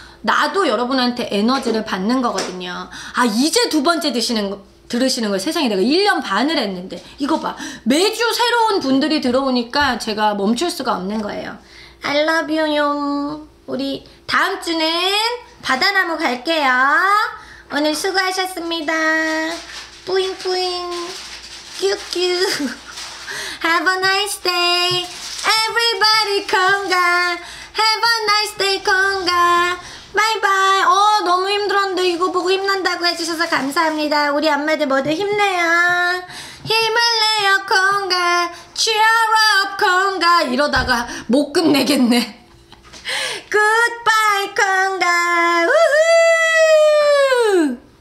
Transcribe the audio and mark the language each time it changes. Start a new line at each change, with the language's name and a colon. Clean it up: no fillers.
Korean: 나도 여러분한테 에너지를 받는 거거든요. 아 이제 두 번째 들으시는 거예요. 세상에 내가 1년 반을 했는데 이거 봐 매주 새로운 분들이 들어오니까 제가 멈출 수가 없는 거예요.
English: I love you 용.
Korean: 우리 다음 주는 바다나무 갈게요. 오늘 수고하셨습니다.
English: 뿌잉뿌잉 큐큐 Have a nice day. Everybody 콩가 Have a nice day 콩가 바이바이.
Korean: 어 너무 힘들었는데 이거 보고 힘난다고 해주셔서 감사합니다. 우리 엄마들 모두 힘내요. 힘을 내요 콩가
English: Cheer up
Korean: 콩가 이러다가 못 끝내겠네.
English: Goodbye, Conga.